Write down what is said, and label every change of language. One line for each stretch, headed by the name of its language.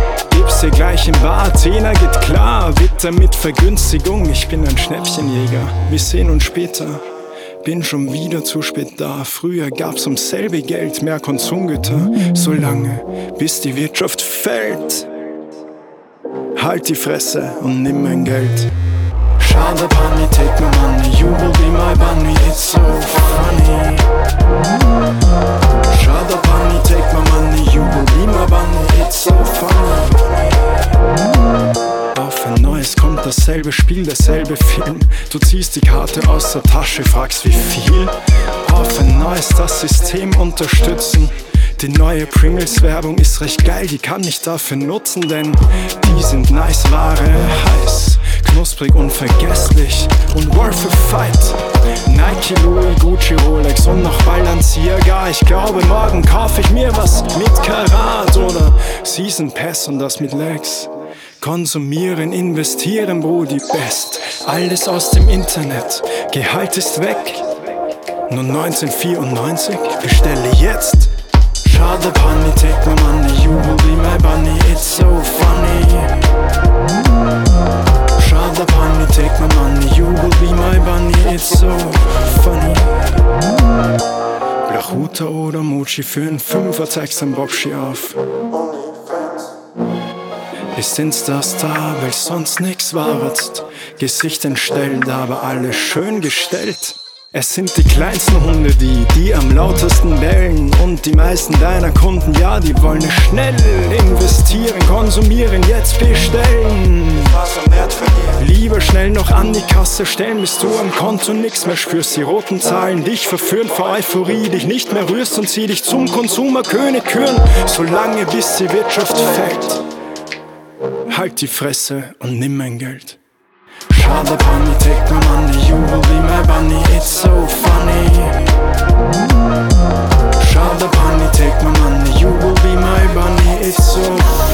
German: Gib's dir gleich in Bar, Zehner geht klar. Witter mit Vergünstigung, ich bin ein Schnäppchenjäger. Wir sehen uns später, bin schon wieder zu spät da. Früher gab's um selbe Geld mehr Konsumgüter. So lange, bis die Wirtschaft fällt. Halt die Fresse und nimm mein Geld.
English: Schade, Bunny, take my money. You will be my bunny, it's so funny. Shada Bunny, take my money, you will be my bunny, it's so funny.
German: Auf ein neues kommt dasselbe Spiel, derselbe Film. Du ziehst die Karte aus der Tasche, fragst wie viel. Auf ein neues das System unterstützen. Die neue Pringles-Werbung ist recht geil, die kann ich dafür nutzen, denn die sind nice, Ware, heiß, knusprig, unvergesslich und
English: worth a fight.
German: Nike, Louis, Gucci, Rolex und noch Balenciaga. Ich glaube, morgen kauf ich mir was mit Karat oder Season Pass und das mit Legs. Konsumieren, investieren, wo die Best. Alles aus dem Internet, Gehalt ist weg. Nur 1994, bestelle jetzt.
English: Shada Bunny, take my money, you will be my bunny, it's so funny. Shada Bunny, take my money, you will be my bunny, it's so funny.
German: Lahuta oder Mochi, für einen Fünfer zeigst ein Bobschi auf. Ist Insta-Star, weil sonst nix warst. Gesicht entstellt, aber alles schön gestellt. Es sind die kleinsten Hunde, die am lautesten bellen. Und die meisten deiner Kunden, ja, die wollen schnell investieren, konsumieren, jetzt bestellen. Lieber schnell noch an die Kasse stellen, bis du am Konto nix mehr spürst. Die roten Zahlen dich verführen vor Euphorie, dich nicht mehr rührst und zieh dich zum Konsumerkönig küren. Solange bis die Wirtschaft fällt, halt die Fresse und nimm mein Geld.
English: Shada Bunny, take my money, you will be my bunny, it's so funny. Shada Bunny, take my money, you will be my bunny, it's so funny.